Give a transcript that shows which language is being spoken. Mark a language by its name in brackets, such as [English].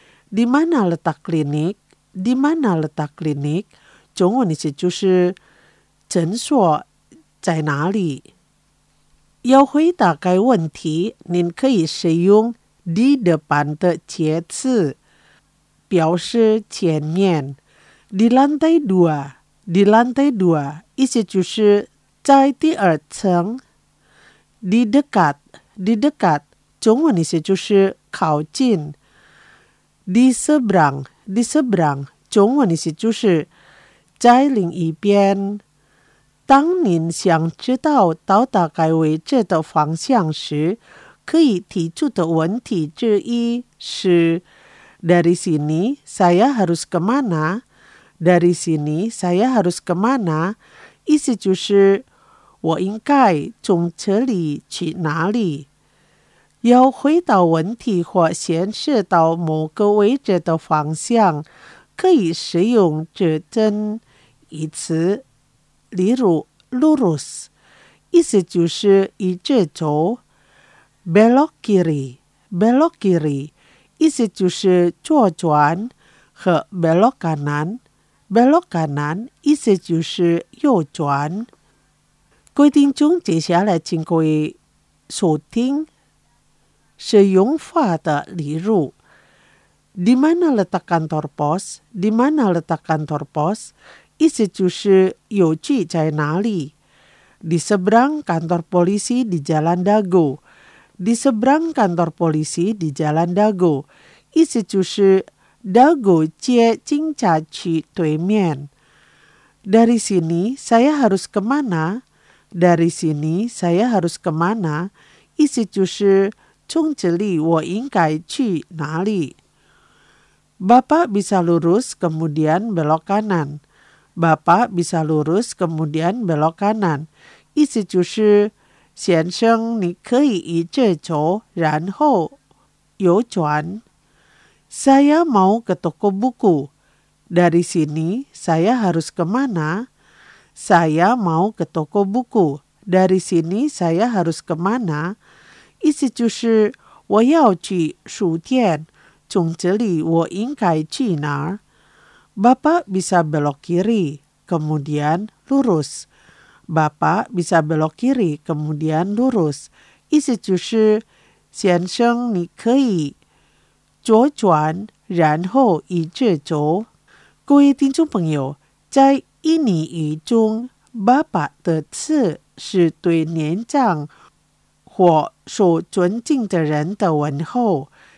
[Indonesian] Di mana letak klinik? Di mana letak klinik? [Chinese] 中文意思就是诊所在哪里。要回答该问题，您可以使用 di 的版的介词表示前面。 [Indonesian] di lantai dua， di lantai dua， [Chinese] 意思就是在第二层。 [Indonesian] di dekat， di dekat， [Chinese] 中文意思就是靠近。 [Indonesian] di seberang， di seberang， [Chinese] 中文意思就是在另一边。当您想知道到达该位置的方向时，可以提出的问题之一是 [Indonesian] Dari sini saya harus kemana? Dari sini saya harus kemana? [Chinese] 意思就是我应该从这里去哪里。要回答问题或显示到某个位置的方向，可以使用指针一词，例如 lurus， 意思就是一直走 ； [Indonesian] belok kiri，belok kiri， [Chinese] 意思就是左转；和 [Indonesian] belok kanan，belok kanan， [Chinese] 意思就是右转。各位听众，接下来请各位收听使用法的例如。 [Indonesian] Di mana letak kantor pos? Di mana letak kantor pos? [Chinese] 意思就是邮局在哪里。 [Indonesian] Di seberang kantor polisi di Jalan Dago. Di seberang kantor polisi di Jalan Dago. [Chinese] 意思就是 Dago 街警察局对面。 [Indonesian] Dari sini saya harus kemana? Dari sini saya harus kemana? [Chinese] 意思就是从这里我应该去哪里。 [Indonesian] Bapak bisa lurus kemudian belok kanan. Bapak bisa lurus kemudian belok kanan. [Chinese] 意思就是先生你可以一直走然后右转。 [Indonesian] Saya mau ke toko buku. Dari sini saya harus kemana? Saya mau ke toko buku. Dari sini saya harus kemana? [Chinese] 意思就是我要去书店。从这里我应该去哪儿 ？ [Indonesian] Bapak bisa belok kiri, kemudian lurus. Bapak bisa belok kiri, kemudian lurus. [Chinese] 意思就是，先生，你可以左转，然后一直走。各位听众朋友，在印尼语中 ，Bapak 的词是对年长或受尊敬的人的问候。